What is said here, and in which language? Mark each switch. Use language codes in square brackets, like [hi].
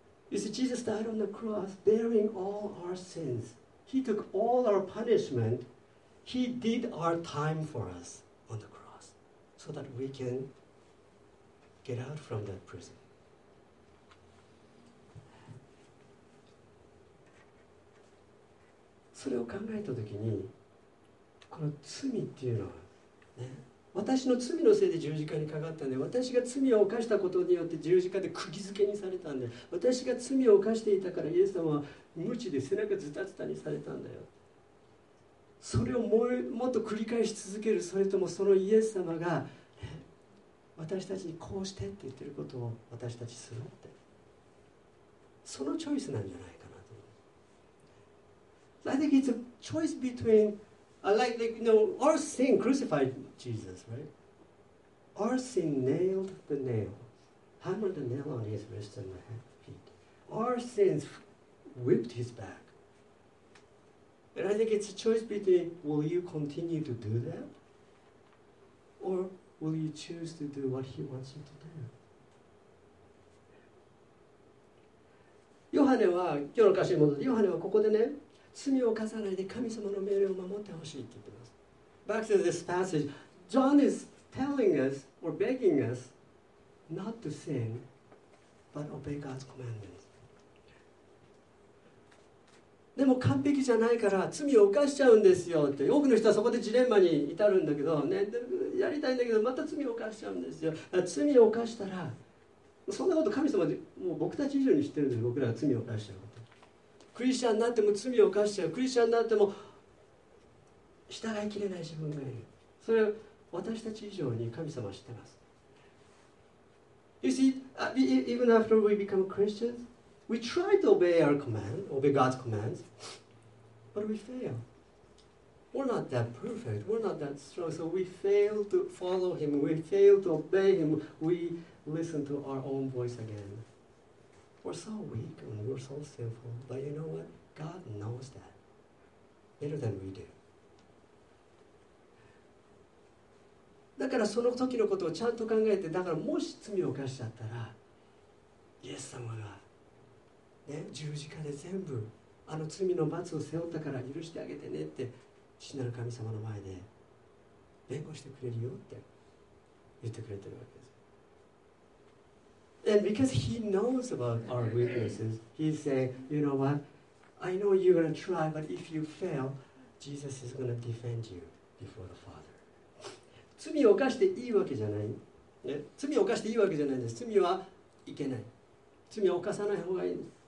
[en] You see, Jesus died on the cross bearing all our sins. He took all our punishment. He did our time for us on the cross so that we can get out from that prison. [ja] それを考えたときに、この罪っていうのは、ね、私の罪のせいで十字架にかかったんで、私が罪を犯したことによって十字架で釘付けにされたんで、私が罪を犯していたからイエス様は無知で背中ズタズタにされたんだよ。それをもっと繰り返し続ける、それともそのイエス様が、ね、私たちにこうしてって言ってることを私たちするって、そのチョイスなんじゃないか。 [en] I think it's a choice between, like, you know, our sin crucified Jesus, right? Our sin nailed the nail, hammered the nail on his wrist and feet. our sins whipped his back. And I think it's a choice between, will you continue to do that? Or will you choose to do what he wants you to do? [ja] ヨハネは、今日の歌詞に戻って、ヨハネはここでね、罪を犯さないで神様の命令を守ってほしいって言ってます。 [en] Back to this passage, John is telling us, or begging us, not to sin, but obey God's commandments. [ja] でも完璧じゃないから罪を犯しちゃうんですよって、多くの人はそこでジレンマに至るんだけど、ね、やりたいんだけどまた罪を犯しちゃうんですよ。罪を犯したら、そんなこと神様はもう僕たち以上に知ってるんです。僕らが罪を犯しちゃうこと、クリスチャンになっても罪を犯しちゃう、クリスチャンになっても従いきれない自分がいる。それを私たち以上に神様は知ってます。 [en] You see, even after we become Christians, we try to obey our command, obey God's commands, but we fail. We're not that perfect, we're not that strong, so we fail to follow Him, we fail to obey Him, weListen to our own voice again. We're so weak and we're so sinful, but you know what? God knows that better than we do. [ja] だからその時のことをちゃんと考えて、だからもし罪を犯しちゃったら、イエス様が、ね、十字架で全部あの罪の罰を背負ったから許してあげてねって父なる神様の前で弁護してくれるよって言ってくれてるわけです。 [en] And because he knows about our weaknesses, he's saying, you know what? I know you're going to try, but if you fail, Jesus is going to defend you before the Father. [ja] 罪を犯していいわけじゃない。ね、罪を犯していいわけじゃないんです。罪はいけない。罪を犯さない方がいい。